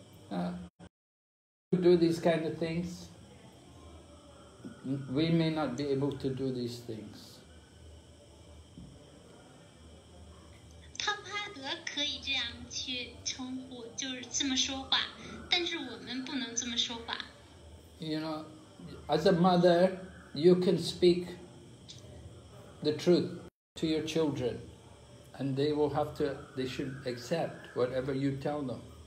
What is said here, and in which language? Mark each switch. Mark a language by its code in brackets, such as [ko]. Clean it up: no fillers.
[en] So, do these kind of things, we may not be able to do these things. [zh] 帕帕德可以这样去称呼，就是这么说话，但是我们不能这么说话。 [en] You know, as a mother, you can speak the truth to your children, and they will have to, they should accept whatever you tell them.